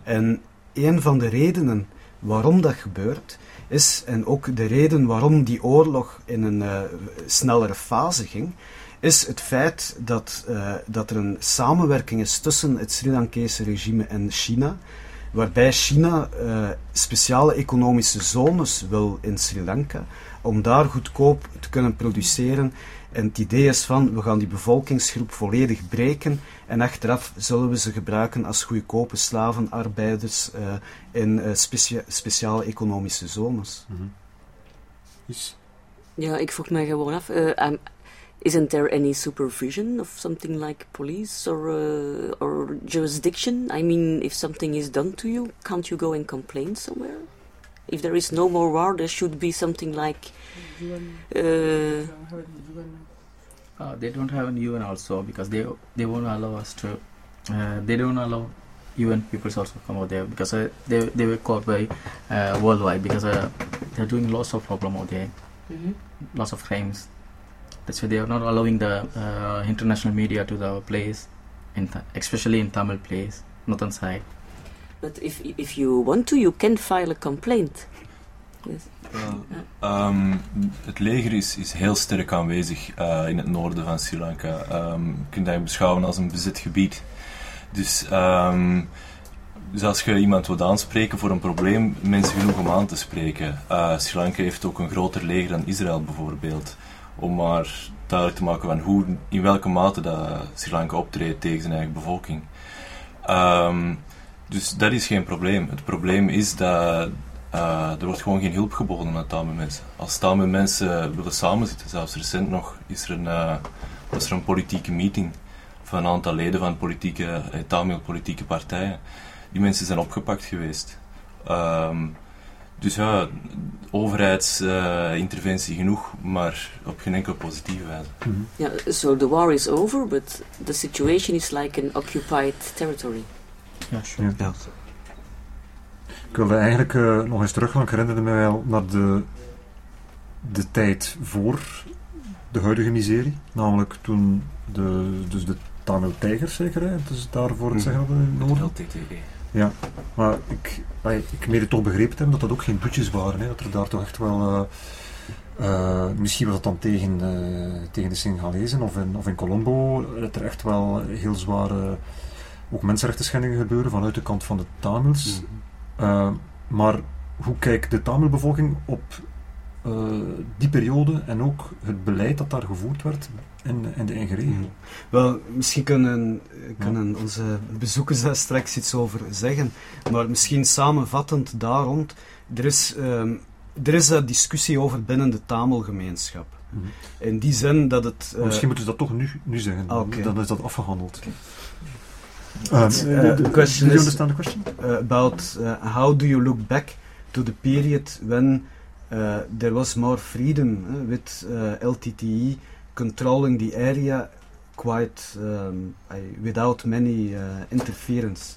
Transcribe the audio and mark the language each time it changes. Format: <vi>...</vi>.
<nl>En een van de redenen waarom dat gebeurt, is, en ook de reden waarom die oorlog in een snellere fase ging, is het feit dat er een samenwerking is tussen het Sri Lankese regime en China, waarbij China speciale economische zones wil in Sri Lanka, om daar goedkoop te kunnen produceren. En het idee is van, we gaan die bevolkingsgroep volledig breken en achteraf zullen we ze gebruiken als goedkope slavenarbeiders in speciale economische zones. Mm-hmm. Ja, ik vroeg mij gewoon af...</nl> <en>Isn't there any supervision of something like police or jurisdiction? I mean, if something is done to you, can't you go and complain somewhere? If there is no more war, there should be something like... They don't have an UN also, because they won't allow us to... they don't allow UN people also come out there, because they were caught by worldwide, because they're doing lots of problem out there, mm-hmm. lots of crimes. That's why they are not allowing the international media to the place, especially in Tamil place, not on site. But if you want to, you can file a complaint. Yes.</en> <nl>Het leger is heel sterk aanwezig in het noorden van Sri Lanka. Je kunt dat beschouwen als een bezet gebied. Dus als je iemand wilt aanspreken voor een probleem, mensen genoeg om aan te spreken. Sri Lanka heeft ook een groter leger dan Israël bijvoorbeeld. Om maar duidelijk te maken van in welke mate dat Sri Lanka optreedt tegen zijn eigen bevolking. Dus dat is geen probleem. Het probleem is dat er wordt gewoon geen hulp geboden aan Tamil mensen. Als Tamil mensen willen samenzitten, zelfs recent nog, was er een politieke meeting van een aantal leden van Tamil politieke partijen. Die mensen zijn opgepakt geweest. Dus ja, overheidsinterventie genoeg, maar op geen enkele positieve wijze.</nl> <en>Ja, so the war is over, but the situation is like an occupied territory. Ja, sure.</en> <nl>Ja. Ik wilde eigenlijk nog eens terug, want ik herinnerde mij wel naar de tijd voor de huidige miserie. Namelijk toen de Tamil Tijgers, zeker, hè? Dus daarvoor het zeggen hadden in het noorden. Ja, maar ik meen het toch begrepen te hebben dat dat ook geen putjes waren. Hè? Dat er daar toch echt wel... misschien was dat dan tegen de Singalezen of in Colombo. Dat er echt wel heel zware ook mensenrechten schendingen gebeuren vanuit de kant van de Tamils. Mm-hmm. Maar hoe kijkt de Tamilbevolking op die periode en ook het beleid dat daar gevoerd werd in de eigen regio? Mm-hmm. Wel, misschien kunnen onze bezoekers daar straks iets over zeggen, maar misschien samenvattend daar rond, er is een discussie over binnen de Tamilgemeenschap. Mm-hmm. In die zin dat het... Misschien moeten we dat toch nu zeggen, okay. Dan is dat afgehandeld. Okay.</nl> <en>Question, do you understand the question? About how do you look back to the period when there was more freedom with LTTE controlling the area quite without many interference?</en>